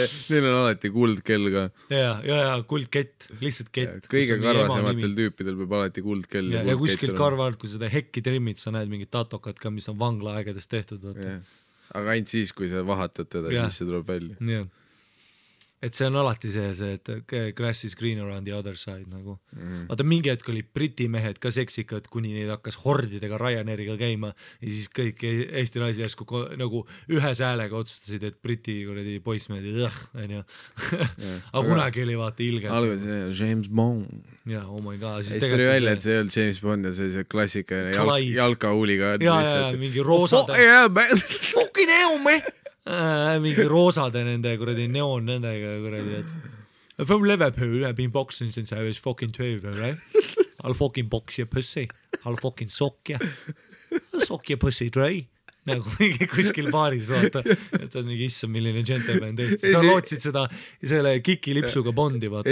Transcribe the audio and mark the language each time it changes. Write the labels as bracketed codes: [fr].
[et] Neil on alati kuldkell ka. Jah, kuldkett. Lihtsalt kett. Kõige karvasematel tüüpidel peab alati kuldkell. Ja kuskilt karvalt, kui seda hekki trimmid, sa näed mingid tatokad ka, mis on vangla aegades tehtud. Aga ainult siis, kui sa vahatad teda, siis see tuleb välja. Jah. Et see on alati see, et [en] grass is greener on the other side. [et] Nagu. Mm. Aga mingi hetk oli briti mehed ka seksikad, kuni neid hakkas hordidega Ryanairiga käima ja siis kõik Eesti naisi järsku nagu ühe säälega otsustasid, et briti kuradi poissmehed ja õh. Aga kunagi oli vaata ilge. Algus see James Bond. [en] Ja, oh my god. [et] Siis tuli välja, et see ei olnud James Bond ja see oli see klassika jalka uuliga. Ja, mingi roosade. [en] Oh, yeah, fucking hell, man. [et] mingi roosade nende, kuradi neon nendega, kuradi, et [en] from Liverpool, I've been boxing since I was fucking 12, right? I'll fucking box your pussy, I'll fucking sock your pussy dry, [et] nagu mingi kuskil baaris vaata, et on mingi issa, milline gentleman tõesti, sa lootsid seda selle kiki lipsuga bondi vaata